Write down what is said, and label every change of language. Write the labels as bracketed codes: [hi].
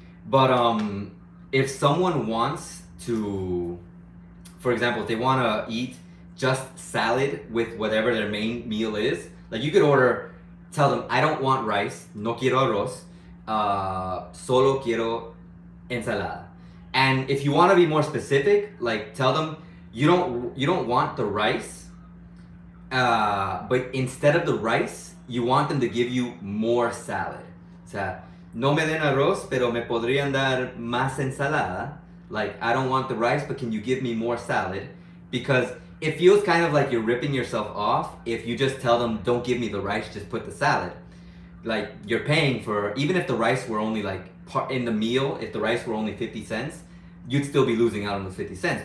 [en] But if someone wants to, for example, if they want to eat just salad with whatever their main meal is, like, you could order, tell them, I don't want rice, [es] no quiero arroz, solo quiero ensalada. [en] And if you want to be more specific, like, tell them, you don't want the rice, but instead of the rice, you want them to give you more salad. [es] O sea, no me den arroz, pero me podrían dar más ensalada. [en] Like, I don't want the rice, but can you give me more salad? Because it feels kind of like you're ripping yourself off if you just tell them, don't give me the rice, just put the salad. Like, you're paying for, even if the rice were only like part in the meal, if the rice were only 50 cents, you'd still be losing out on the 50 cents.